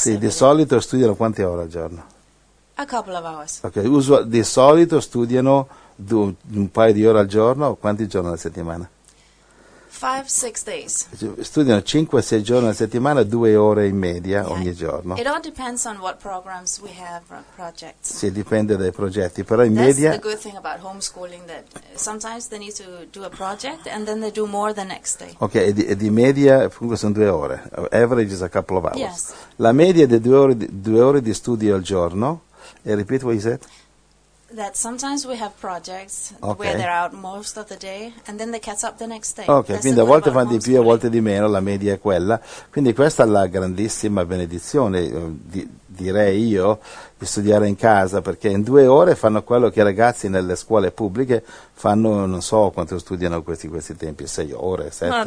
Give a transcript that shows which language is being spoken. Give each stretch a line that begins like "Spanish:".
Italian: Sì, di solito studiano quante ore al giorno?
English: A couple of hours.
Italian: Okay, di solito studiano un paio di ore al giorno, quanti giorni alla settimana?
English: 5-6 days.
Italian: Studiano 5-6 giorni alla settimana, 2 ore in media ogni giorno.
English: It all depends on what programs we have, projects.
Italian: Sì, dipende dai progetti, però in
English: That's
Italian: media.
English: That's the good thing about homeschooling, that sometimes they need to do a project and then they do more the next day.
Italian: Ok, e di media comunque sono 2 ore.
English: Average is a couple of hours. Yes.
Italian: La media è di 2 ore di studio al giorno.
English: E repeat what you said. That sometimes we have projects okay. where they're out most of the day and then they catch up the next day.
Italian: Ok, quindi a volte fanno di più, a volte di meno, la media è quella. Quindi questa è la grandissima benedizione, direi io, di studiare in casa, perché in 2 ore fanno quello che i ragazzi nelle scuole pubbliche fanno, non so quanto studiano questi tempi, 6 ore, 7.